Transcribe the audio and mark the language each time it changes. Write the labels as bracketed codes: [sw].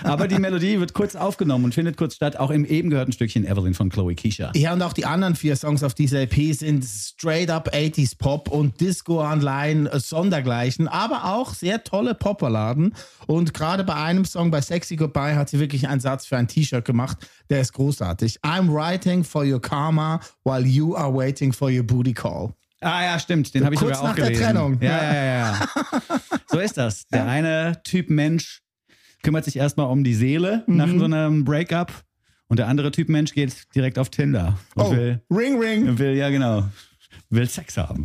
[de] Aber die Melodie wird kurz aufgenommen und findet kurz statt, auch im eben gehörten Stückchen Evelyn von Chloe Kisha. Ja, und auch die anderen vier Songs auf dieser EP sind straight up 80s Pop und Disco Online Sondergleichen, aber auch sehr tolle Popballaden. Und gerade bei einem Song, bei Sexy Goodbye, hat sie wirklich einen Satz für ein T-Shirt gemacht. Der ist großartig. [en] I'm writing for your karma while you are waiting for your booty call. [de] Ah ja, stimmt, den habe ich sogar auch gelesen. Kurz nach der Trennung. Ja, ja, ja, ja. So ist das. Der eine Typ Mensch kümmert sich erstmal um die Seele nach so einem Breakup und der andere Typ Mensch geht direkt auf Tinder. Und oh, will, ring, ring. Will, ja, genau. Will Sex haben.